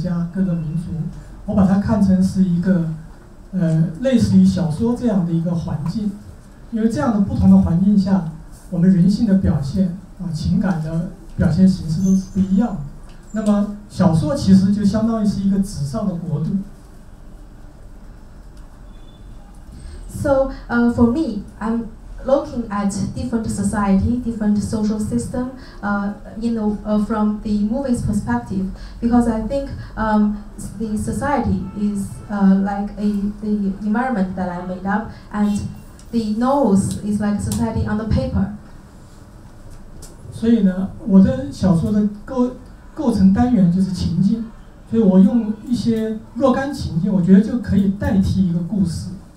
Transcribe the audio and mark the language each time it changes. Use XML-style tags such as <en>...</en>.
<zh>所以我也是从故事的角度去看待不同的社会系统，比方说各个国家、各个民族，我把它看成是一个 类似于小说这样的一个环境，因为这样的不同的环境下，我们人性的表现、情感的表现形式都是不一样的。那么小说其实就相当于是一个纸上的国度。</zh> <en>So for me, I'm looking at different society, different social system, from the movie's perspective, because I think the society is like the environment that I made up, and the novels is like society on the paper.</en> <zh>所以呢，我的小说的构成单元就是情境，所以我用一些若干情境，我觉得就可以代替一个故事。</zh>